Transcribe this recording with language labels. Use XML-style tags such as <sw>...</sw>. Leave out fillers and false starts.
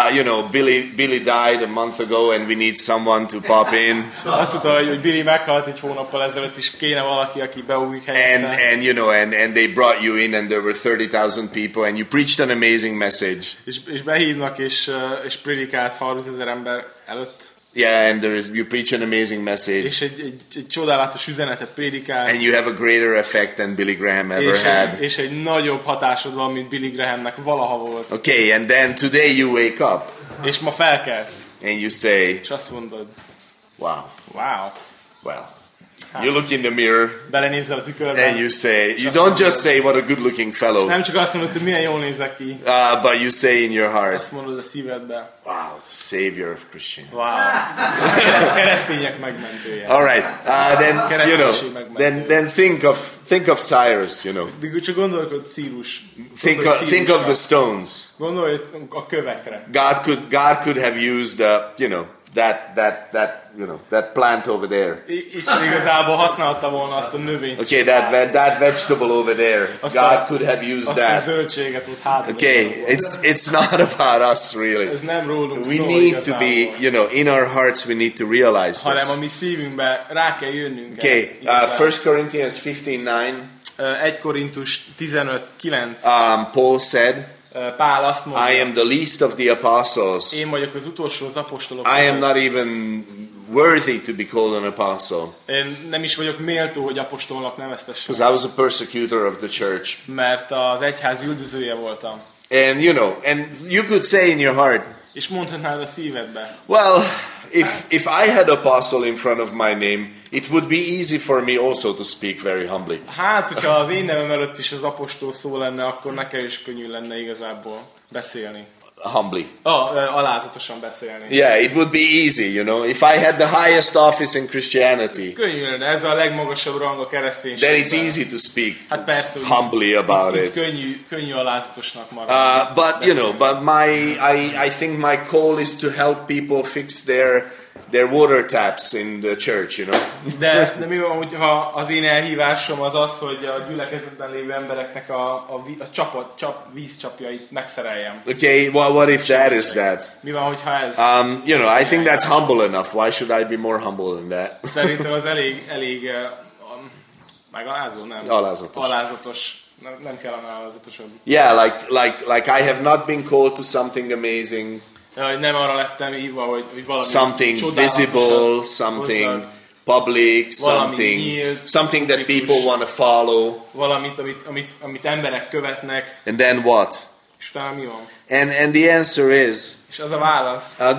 <en>you know, Billy died a month ago and we need someone to pop in.</en> <hu>Azt mondta, hogy Billy meghalt egy hónappal ezelőtt is kéne valaki, aki beugrik helyette.</hu> <en>And you know, and they brought you in and there were 30,000 people and you preached an amazing message.</en> <hu>És behívnak és prédikálsz 30,000 ember előtt.</hu> <en>Yeah, and there is, you preach an amazing message.</en> <hu>És egy csodálatos üzenetet prédikálsz.</hu> <en>And you have a greater effect than Billy Graham ever had.</en> <hu>És egy nagyobb hatásod van, mint Billy Grahamnek valaha volt.</hu> <en>Okay, and then today you wake up.</en> <hu>És ma felkelsz.</hu> <en>And you say.</en> <hu>És azt mondod.</hu> <en>Wow.</en> <hu>Wow.</hu> <en>Well. You look in the mirror.</en> <hu>Belenézel a tükörben.</hu> <en>And you say, you don't just say what a good-looking fellow.</en> <hu>Nem csak azt mondod, hogy milyen jól nézek ki.</hu> <en>But you say in your heart.</en> <hu>Azt mondod a szívedbe.</hu> <en>Wow, savior of Christianity.</en> <hu>Wow. Keresztények megmentője.</hu> <en>All right. Then you know. Then think of Cyrus, you know.</en> <hu>De csak gondolkod Círus.</hu> <en>Think of the stones.</en> <hu>Gondolj a kövekre.</hu> <en>God could have used the, you know, that you know, that plant over there.</en> <hu>Isten igazából használta volna azt a növényt.</hu> <en>Okay, that vegetable over there. God could have used that.</en> <hu>Azt a zöldséget ott hátul.</hu> <en>Okay, it's not about us really.</en> <hu>Ez nem rólunk szól.</hu> <en>We need to be, you know, in our hearts we need to realize this.</en> <hu>Hanem a mi szívünkbe rá kell jönnünk.</hu> <en>Okay, 1 Corinthians 15:9.</en> <hu>1 Korintus 15:9.</hu> <en>Paul said,</en> <hu>Pál azt mondja,</hu> <en>I am the least of the apostles.</en> <hu>Én vagyok az utolsó az apostolok.</hu> <en>I am not even worthy to be called an apostle.</en> <hu>Én nem is vagyok méltó, hogy apostolnak neveztessem.</hu> <en>Because I was a persecutor of the church.</en> <hu>Mert az egyház üldözője voltam.</hu> <en>And you know, and you could say in your heart.</en> <hu>És mondhatnád a szívedbe.</hu> <en>Well, If I had apostle in front of my name, it would be easy for me also to speak very humbly.</en> <hu>Hát, hogyha az én nevem előtt is az apostol szó lenne, akkor nekem is könnyű lenne igazából beszélni.</hu> <en>Humbly.</en> <hu>Alázatosan beszélni.</hu> <en>Yeah, it would be easy, you know, if I had the highest office in Christianity.</en> <hu>Könnyű lenne, ez a legmagasabb rang a kereszténységben.</hu> <en>Then it's easy to speak.</en> <hu>Hát persze,</hu> <en>humbly about it.</en> <hu>Könnyű alázatosnak maradni.</hu> <en>But I think my call is to help people fix their water taps in the church, you know.</en> <hu>De mi van, hogyha az én elhívásom az az, hogy a gyülekezetben lévő embereknek a vízcsapjait megszereljem.</hu> <en>Okay, well, what if that is that?</en> <hu>Mi van, hogyha ez?</hu> <en>You know, I think that's humble enough. Why should I be more humble than that?</en> <hu>Szerintem az elég megalázó, nem? Alázatos. Nem kell alázatosabb.</hu> <en>Yeah, like I have not been called to something amazing.</en> <hu>Nem arra lettem hívva, hogy valami</hu> <en>something visible, something hozzak, public, something</en> <hu>nyílt,</hu> <en>something that publikus, people want to follow.</en> <hu>Valamit, amit emberek követnek.</hu> <en>And then what?</en> <hu>És utána mi van?</hu> <en>And the answer is,</en> <hu>és az a válasz,</hu>